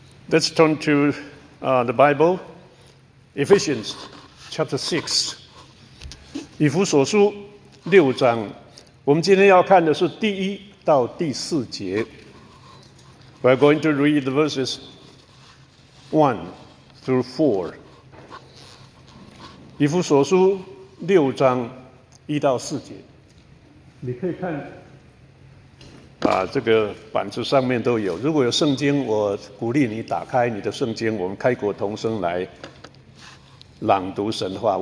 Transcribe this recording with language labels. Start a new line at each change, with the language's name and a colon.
English: Let's turn to the Bible, Ephesians chapter 6,
Chinese: 以弗所书六章，我们今天要看的是第一到第四节。
English: We are going to read the verses 1 through 4.
Chinese: 以弗所书六章一到四节，你可以看啊，这个板子上面都有。如果有圣经，我鼓励你打开你的圣经，我们开国同声来朗读神话。